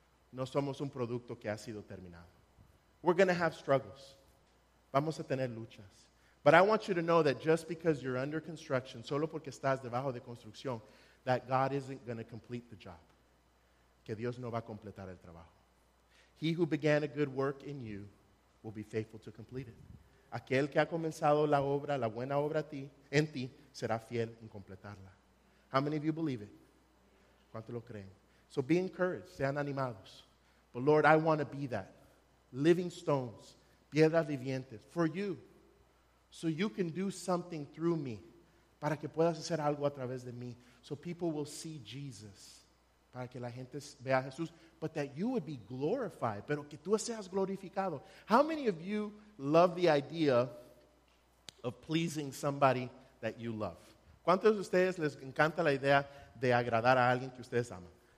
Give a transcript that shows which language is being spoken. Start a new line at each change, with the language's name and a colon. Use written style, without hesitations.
Spanish: No somos un producto que ha sido terminado.
English: We're going to have struggles.
Spanish: Vamos a tener luchas.
English: But I want you to know that just because you're under construction,
Spanish: solo porque estás debajo de construcción,
English: that God isn't going to complete the job.
Spanish: Que Dios no va a completar el trabajo.
English: He who began a good work in you will be faithful to complete it.
Spanish: Aquel que ha comenzado la obra, la buena obra en ti, será fiel en completarla.
English: How many of you believe it?
Spanish: ¿Cuánto lo creen?
English: So be encouraged.
Spanish: Sean animados.
English: But Lord, I want to be that. Living stones.
Spanish: Piedras vivientes.
English: For you. So you can do something through me.
Spanish: Para que puedas hacer algo a través de mí.
English: So people will see Jesus.
Spanish: Para que la gente vea a Jesús.
English: But that you would be glorified.
Spanish: Pero que tú seas glorificado.
English: How many of you love the idea of pleasing somebody that you love?
Spanish: ¿Cuántos de ustedes les encanta la idea de agradar a alguien que ustedes aman?